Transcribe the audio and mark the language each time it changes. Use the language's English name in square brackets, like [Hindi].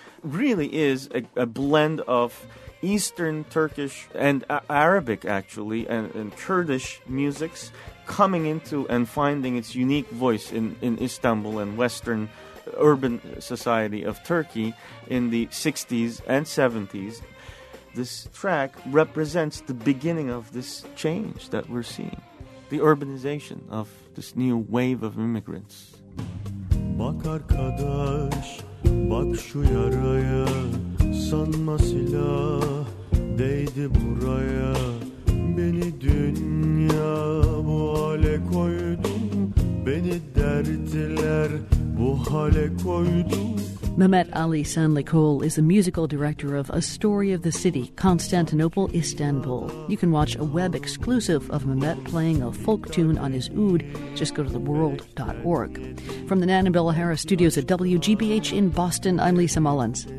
[English] Really is a blend of Eastern Turkish and Arabic, actually, and Kurdish musics coming into and finding its unique voice in Istanbul and Western urban society of Turkey in the 60s and 70s. This track represents the beginning of this change that we're seeing, the urbanization of this new wave of immigrants. [Turkish] Bak arkadaş, bak şu yaraya, sanma silah değdi buraya, beni dünya bu hale koydu, beni derdiler bu hale koydu. [English] Mehmet Ali Sanlıkol is the musical director of A Story of the City, Constantinople, Istanbul. You can watch a web exclusive of Mehmet playing a folk tune on his oud. Just go to theworld.org. From the Nan and Bella Harris studios at WGBH in Boston, I'm Lisa Mullins.